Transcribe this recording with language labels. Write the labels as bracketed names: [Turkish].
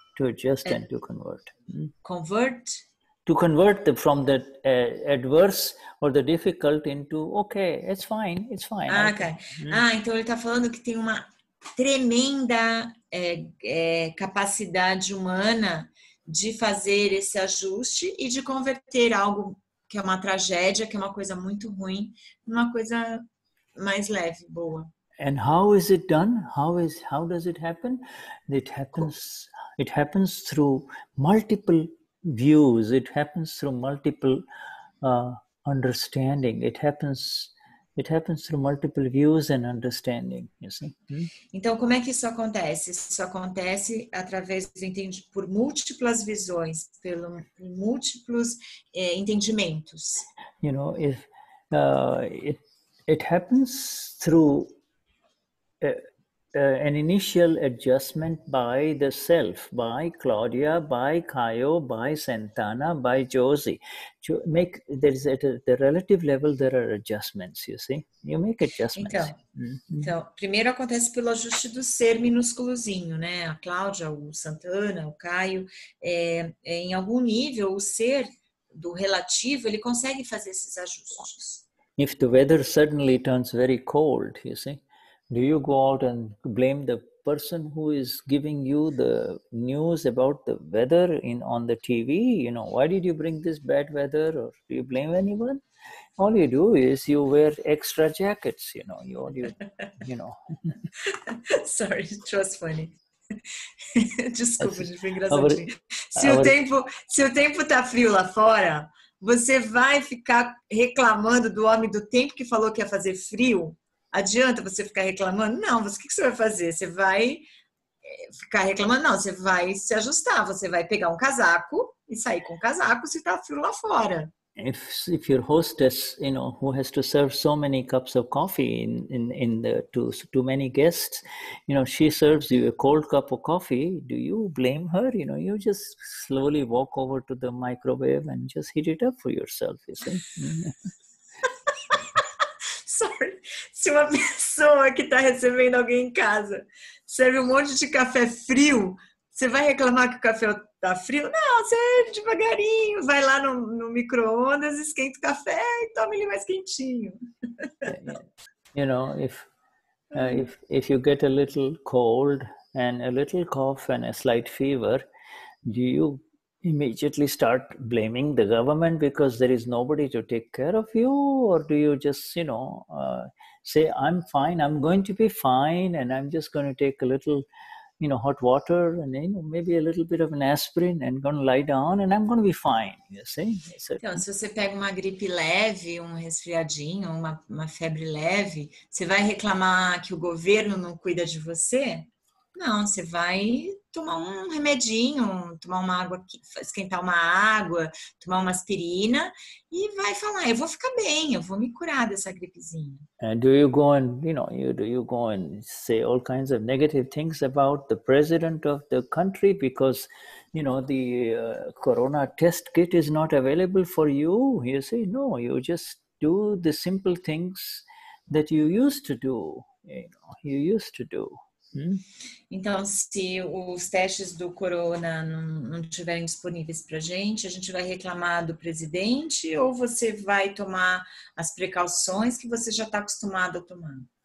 [English] To convert from the adverse or the difficult into okay, it's fine. Ah, okay. [Portuguese] Então ele tá falando que tem uma tremenda capacidade humana de fazer esse ajuste e de converter algo que é uma tragédia, que é uma coisa muito ruim, numa coisa mais leve, boa. [English] And how is it done? How does it happen? It happens through multiple views. It happens through multiple understanding. It happens through multiple views and understanding. You see. [Portuguese] Então, como é que isso acontece? Isso acontece através do entendimento, por múltiplas visões, pelo múltiplos entendimentos. [English] You know, if it happens through an initial adjustment by the self, by Claudia, by Caio, by Santana, by Josie. The relative level, there are adjustments, you see? You make adjustments. [Portuguese] Então, então, primeiro acontece pelo ajuste do ser minúsculozinho, né? A Claudia, o Santana, o Caio. Em algum nível, o ser do relativo, ele consegue fazer esses ajustes. [English] If the weather suddenly turns very cold, you see? Do you go out and blame the person who is giving you the news about the weather on the TV? You know, why did you bring this bad weather? Or do you blame anyone? All you do is you wear extra jackets, you know. You know. Sorry, it was funny. [Portuguese] Desculpa, foi engraçadinho. Se o tempo tá frio lá fora, você vai ficar reclamando do homem do tempo que falou que ia fazer frio? Adianta você ficar reclamando? Não, o que você vai fazer? Você vai ficar reclamando? Não, você vai se ajustar. Você vai pegar um casaco e sair com o casaco se tá frio lá fora. [English] If your hostess, you know, who has to serve so many cups of coffee to many guests, you know, she serves you a cold cup of coffee, do you blame her? You know, you just slowly walk over to the microwave and just heat it up for yourself, you see? [Portuguese] Se uma pessoa que está recebendo alguém em casa serve um monte de café frio, você vai reclamar que o café está frio? Não, você é devagarinho, vai lá no micro-ondas, esquenta o café e toma ele mais quentinho. [English] You know, if you get a little cold and a little cough and a slight fever, do you immediately start blaming the government because there is nobody to take care of you? Or do you just, you know, say, I'm fine, I'm going to be fine, and I'm just going to take a little, you know, hot water and, you know, maybe a little bit of an aspirin and going to lie down and I'm going to be fine, you see? [Portuguese] Então, se você pega uma gripe leve, um resfriadinho, uma febre leve, você vai reclamar que o governo não cuida de você? Não, você vai tomar um remedinho, tomar uma água, esquentar uma água, tomar uma aspirina e vai falar, eu vou ficar bem, eu vou me curar dessa gripezinha. [English] And do you go and, you know, do you go and say all kinds of negative things about the president of the country because, you know, the corona test kit is not available for you? You say, no, you just do the simple things that you used to do, you know, you used to do. [Portuguese] Então, se os testes do corona não estiverem disponíveis para a gente vai reclamar do presidente ou você vai tomar as precauções que você já está acostumado a tomar?